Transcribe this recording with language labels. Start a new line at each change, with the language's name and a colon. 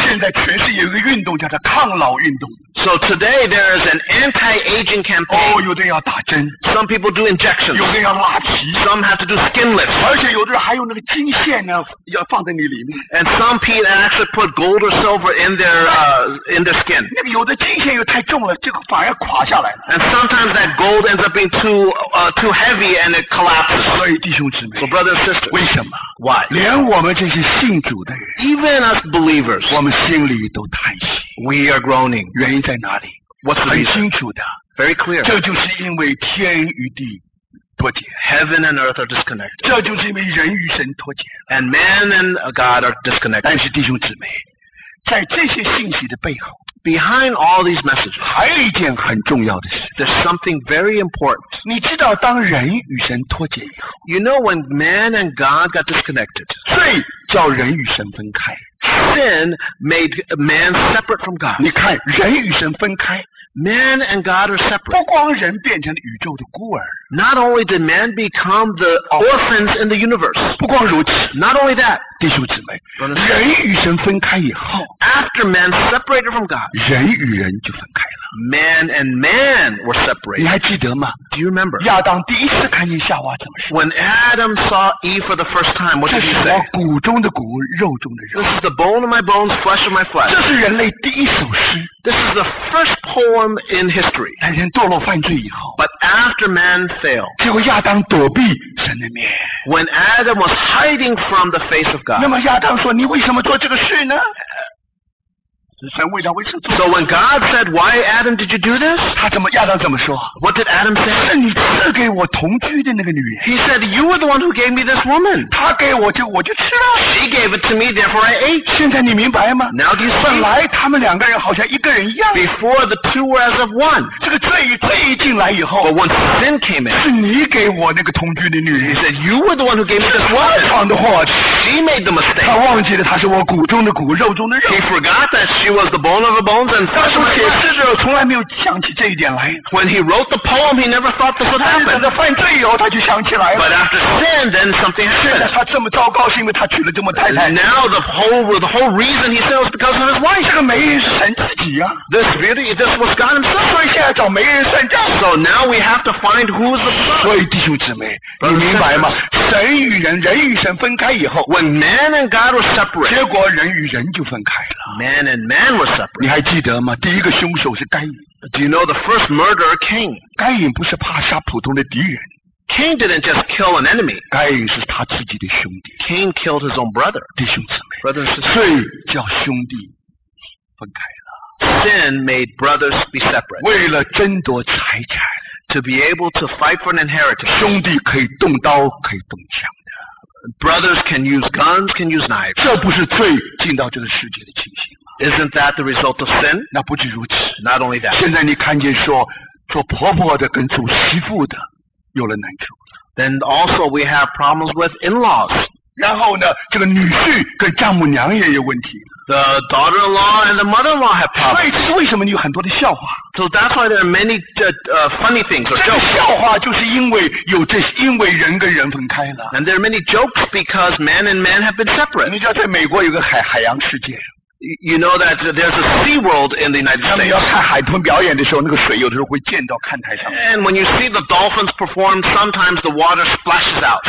Chinese: 现在全世界有一个运动叫做抗老运动。
English: So today there is an anti-aging campaign.
Chinese: 哦，有的要打针。
English: Some people do injections.
Chinese: 有的要拉皮。
English: Some have to do skin lifts.
Chinese: 而且有的人还有那个金线呢，要放在你里面。
English: And some people actually put gold or silver in their skin.
Chinese: 那个有的金线又太重了，这个反而垮下来了。
English: And sometimes that gold ends up being too heavy and it collapses.
Chinese: 所以弟兄姊妹
English: ，So brothers and sisters,
Chinese: 为什么
English: ？Why?
Chinese: 连我们这些信主的人
English: ，Even us believers,
Chinese: 我们心里都叹息。
English: We are groaning.
Chinese: 原因在哪里
English: ？What's the reason?
Chinese: 很清楚的
English: ，Very clear.
Chinese: 这就是因为天与地脱节
English: ，Heaven and earth are disconnected.
Chinese: 这就是因为人与神脱节
English: ，And man and God are disconnected.
Chinese: 但是弟兄姊妹，在这些信息的背后
English: ，Behind all these messages，
Chinese: 还有一件很重要的事
English: ，There's something very important.
Chinese: 你知道，当人与神脱节以后
English: ，You know when man and God got disconnected，
Chinese: 罪叫人与神分开。
English: Sin made man separate from God.
Chinese: 你看，人与神分开。
English: Man and God are separate.
Chinese: 不光人变成宇宙的孤儿。
English: Not only did man become the orphans in the universe.
Chinese: 不光如此。
English: Not only that.
Chinese: 弟兄姊妹，人与神分开以后
English: ，After man separated from God，
Chinese: 人与人就分开了。
English: Man and man were separated.
Chinese: 你还记得吗
English: ？Do you remember？
Chinese: 亚当第一次看见夏娃怎么说
English: ？When Adam saw Eve for the first time, what did he say？
Chinese: 这是我骨中的骨，肉中的肉。
English: This is the bone of my bones, flesh of my flesh.
Chinese: 这是人类第一首诗。
English: This is the first poem in history.
Chinese: 但人堕落犯罪以后
English: ，But after man fell，
Chinese: 结果亚当躲避神的面。
English: When Adam was hiding from the face of God，
Chinese: 那么亚当说：“你为什么做这个事呢？”
English: So when God said, "Why, Adam, did you do this?"
Chinese: 他怎么亚当怎么说
English: ？What did Adam say?
Chinese: 是你赐给我同居的那个女人。
English: He said, "You were the one who gave me this woman."
Chinese: 他给我就我就吃了。
English: She gave it to me, therefore I ate.
Chinese: 现在你明白吗
English: ？Now do you see?
Chinese: 本来他们两个人好像一个人一样。
English: Before the two were as of one.
Chinese: 这个罪进来以后
English: ，But when sin came in,
Chinese: 是你给我那个同居的女人。
English: He said, "You were the one who gave me this woman."
Chinese: 是他闯的祸。
English: She made the mistake.
Chinese: 他忘记了他是我骨中的骨，肉中的肉。
English: He forgot that she was the bone of her bones and flesh of her flesh.
Chinese: 从来没有想起这一点来。
English: When he wrote the poem, he never thought this would happen.
Chinese: 但是犯罪以后他就想起来了。
English: But after sin, then something happened.
Chinese: 现在他这么糟糕是因为他娶了这么太太。
English: Now the whole reason he said was because of his wife.
Chinese: 这个媒人是神自己啊。
English: This was God himself.
Chinese: 所以现在找媒人算账。
English: So now we have to find who is the son.
Chinese: 所以弟兄姊妹，你明白吗？神与人，人与神分开以后
English: ，When man and God were separate，
Chinese: 结果人与人就分开了。
English: Man and man were separate。
Chinese: 你还记得吗？第一个凶手是该隐。
English: Do you know the first murderer, Cain？
Chinese: 该隐不是怕杀普通的敌人。
English: Cain didn't just kill an enemy。
Chinese: 该隐是他自己的兄弟。
English: Cain killed his own brother。
Chinese: 弟兄姊妹
English: ，brothers，
Chinese: 罪叫兄弟分开了。
English: Sin made brothers be separate。
Chinese: 为了争夺财产。
English: To be able to fight for an inheritance.
Chinese: 兄弟可以动刀，可以动枪的。
English: Brothers can use guns, can use knives.
Chinese: 这不是罪进到这个世界的情形吗？
English: Isn't that the result of sin?
Chinese: 那不止如此。
English: Not only that.
Chinese: 现在你看见说，做婆婆的跟做媳妇的有了难处。
English: Then also we have problems with in-laws.
Chinese: 然后呢，这个女婿跟丈母娘也有问题。
English: The daughter-in-law and the mother-in-law have problems.
Chinese: 所以这是为什么你有很多的笑话。
English: So that's why there are many funny things or jokes.
Chinese: 这个笑话就是因为有这些，因为人跟人分开了。
English: And there are many jokes because man and man have been separate.
Chinese: 你知道在美国有个海洋世界。
English: You know that there's a sea world in the United States.
Chinese: 他们要看海豚表演的时候，那个水有的时候会溅到看台上。
English: And when you see the dolphins perform, sometimes the water splashes out.